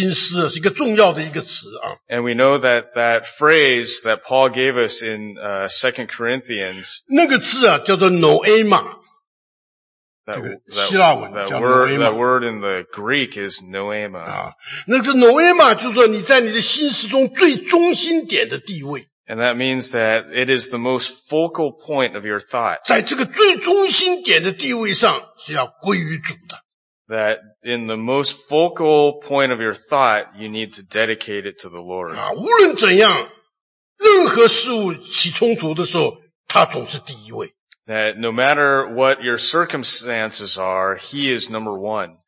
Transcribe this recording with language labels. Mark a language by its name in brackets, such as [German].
[Chinese] 我们都知道在哥林多后书十一章里面所讲到那个心思是一个重要的一个词啊。 [English] And we know that phrase that Paul gave us in 2 Corinthians [Chinese] 那个字啊, 叫做 noema, [English] that word in the Greek is noema. [Chinese] 那个 noema 就是说你在你的心思中最中心点的地位。 [English] And that means that it is the most focal point of your thought. [Chinese] 在这个最中心点的地位上是要归于主的。 [English] That in the most focal point of your thought, you need to dedicate it to the Lord. [Chinese] 无论怎样,任何事物起冲突的时候,他总是第一位。 [English] That no matter what your circumstances are, he is number one.